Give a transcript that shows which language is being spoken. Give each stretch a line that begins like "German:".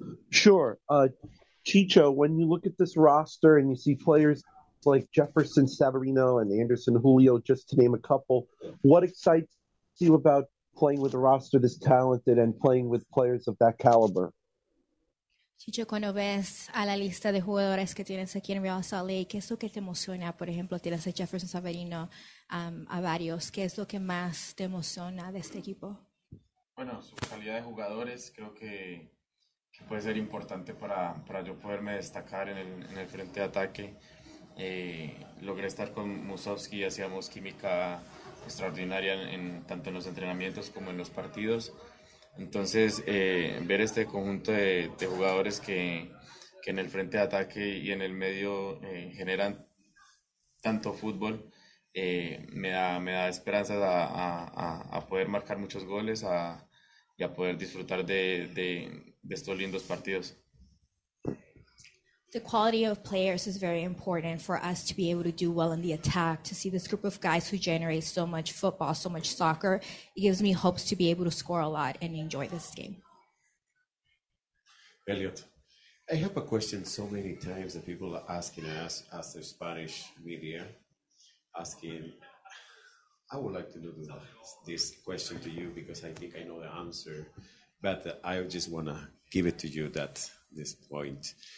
English: Sure. Chicho, when you look at this roster and you see players like Jefferson Severino and Anderson Julio, just to name a couple, what excites you about playing with a roster this talented and playing with players of that caliber?
Spanish: Chicho, cuando ves a la lista de jugadores que tienes aquí en Real Salt Lake, ¿qué es lo que te emociona? Por ejemplo, tienes a Jefferson Severino, a varios. ¿Qué es lo que más te emociona de este equipo? Bueno, su calidad de jugadores creo que puede ser importante para yo poderme destacar en el frente de ataque. Logré estar con Musovsky, hacíamos química extraordinaria tanto en los entrenamientos como en los partidos. Entonces, ver este conjunto de jugadores que en el frente de ataque y en el medio generan tanto fútbol, me da esperanzas a poder marcar muchos goles y a poder disfrutar de estos lindos partidos.
English: The quality of players is very important for us to be able to do well in the attack. To see this group of guys who generate so much football, so much soccer, it gives me hopes to be able to score a lot and enjoy this game. Elliot, I have a question so many times that people are asking us, as the Spanish media, asking, I would like to know this question to you because I think I know the answer, but I just want to give it to you that this point.